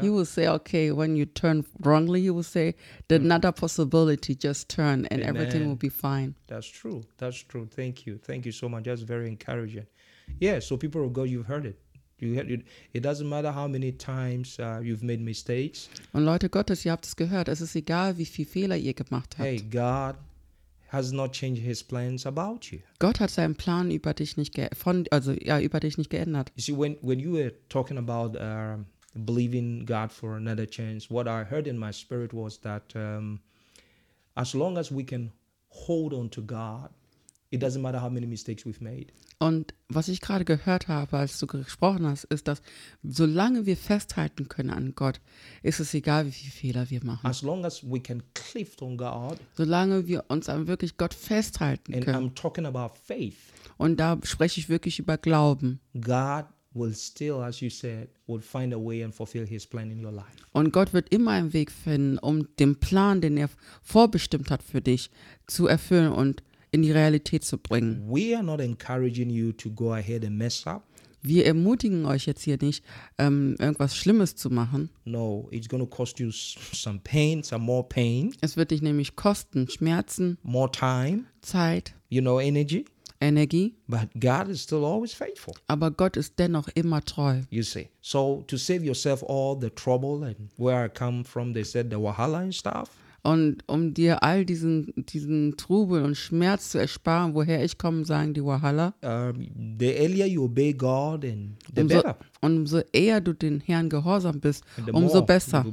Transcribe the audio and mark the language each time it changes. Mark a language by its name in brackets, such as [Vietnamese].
[English] He will say, okay, when you turn wrongly, he will say, there's another possibility, just turn and everything will be fine. That's true. Thank you. Thank you so much. That's very encouraging. Yeah, so people of God, you've heard it. It doesn't matter how many times you've made mistakes. [German] Und Leute Gottes, ihr habt es gehört. Es ist egal, wie viele Fehler ihr gemacht habt. [English] Hey, God has not changed his plans about you. [German] Gott hat seinen Plan über dich nicht über dich nicht geändert. [English] You see, when you were talking about believing God for another chance, what I heard in my spirit was that as long as we can hold on to God, it doesn't matter how many mistakes we've made. [German] Und was ich gerade gehört habe, als du gesprochen hast, ist, dass solange wir festhalten können an Gott, ist es egal, wie viele Fehler wir machen. [English] As long as we can cleave on God, [German] solange wir uns an wirklich Gott festhalten [English] and [German] können. [English] I'm talking about faith, [German] und da spreche ich wirklich über Glauben. [English] God will still, as you said, will find a way and fulfill his plan in your life. [German] Und Gott wird immer einen Weg finden, um den Plan, den er vorbestimmt hat für dich, zu erfüllen und in die Realität zu bringen. [English] We are not encouraging you to go ahead and mess up. [German] Wir ermutigen euch jetzt hier nicht, irgendwas Schlimmes zu machen. [English] No, it's gonna cost you some pain, some more pain. [German] Es wird dich nämlich kosten, Schmerzen. [English] More time. [German] Zeit. [English] You know, energy. [German] Energie. [English] But God is still always faithful. [German] Aber Gott ist dennoch immer treu. [English] You see. So to save yourself all the trouble and where I come from, they said the Wahala and stuff. [German] Und um dir all diesen Trubel und Schmerz zu ersparen, woher ich komme, sagen die Wahala. [English] The earlier you obey God and the [German] umso, [English] better. [German] Und umso eher du den Herrn gehorsam bist, umso besser.